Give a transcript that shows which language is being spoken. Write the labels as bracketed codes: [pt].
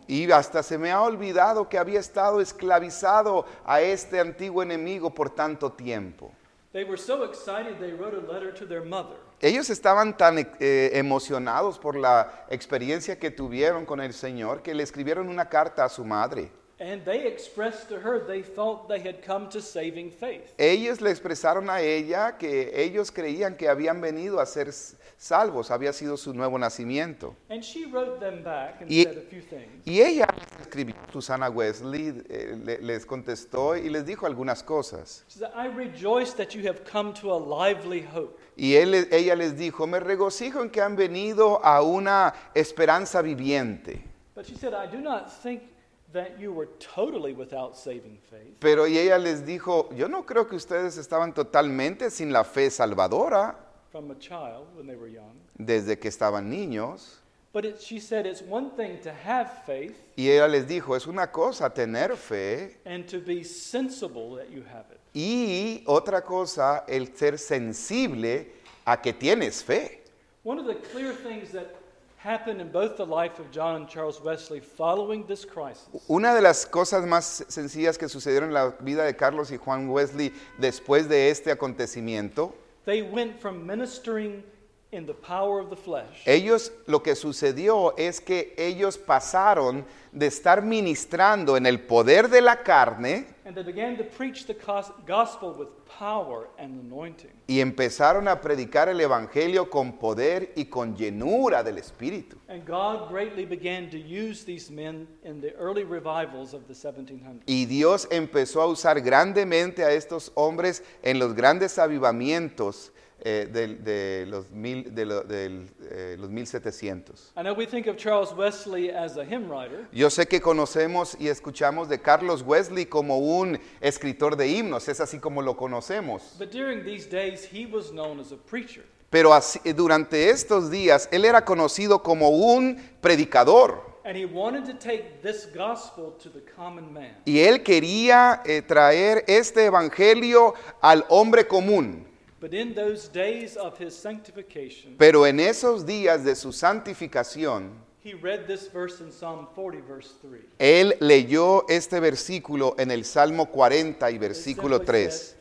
[es] Y hasta se me ha olvidado que había estado esclavizado a este antiguo enemigo por tanto tiempo. [en] They were so excited they wrote a letter to their mother. [es] Ellos estaban tan emocionados por la experiencia que tuvieron con el Señor que le escribieron una carta a su madre. [en] And they expressed to her they felt they had come to saving faith. [es] Ellos le expresaron a ella que ellos creían que habían venido a ser salvos, había sido su nuevo nacimiento. [en] And she wrote them back and said a few things. [es] Y ella escribió, Susana Wesley les contestó y les dijo algunas cosas. [en] She said, "I rejoice that you have come to a lively hope." [es] Y ella les dijo, "Me regocijo en que han venido a una esperanza viviente." [en] But she said, "I do not think that you were totally without saving faith." [es] Pero y ella les dijo, "Yo no creo que ustedes estaban totalmente sin la fe salvadora." [en] From a child when they were young. [es] Desde que estaban niños. [en] But it, she said, "It's one thing to have faith." [es] Y ella les dijo, "Es una cosa tener fe." [en] "And to be sensible that you have it." [es] Y otra cosa, el ser sensible a que tienes fe. [en] One of the clear things that happened in both the life of John and Charles Wesley following this crisis. [es] Una de las cosas más sencillas que sucedieron en la vida de Carlos y Juan Wesley después de este acontecimiento. [en] They went from ministering in the power of the flesh. [es] Ellos, lo que sucedió es que ellos pasaron de estar ministrando en el poder de la carne. [en] And they began to preach the gospel with power and anointing. [es] Y empezaron a predicar el evangelio con poder y con llenura del Espíritu. [en] And God greatly began to use these men in the early revivals of the 1700s. [es] Y Dios empezó a usar grandemente a estos hombres en los grandes avivamientos los 1700. [en] I know we think of Charles Wesley as a hymn writer. [es] Yo sé que conocemos y escuchamos de Carlos Wesley como un escritor de himnos. Es así como lo conocemos. [en] But during these days, he was known as a preacher. [es] Pero así, durante estos días, él era conocido como un predicador. [en] And he wanted to take this gospel to the common man. [es] Y él quería traer este evangelio al hombre común. [en] But in those days of his sanctification, [es] pero en esos días de su santificación, [en] he read this verse in Psalm 40, verse 3. [es] Él leyó este versículo en el Salmo 40 y versículo 3.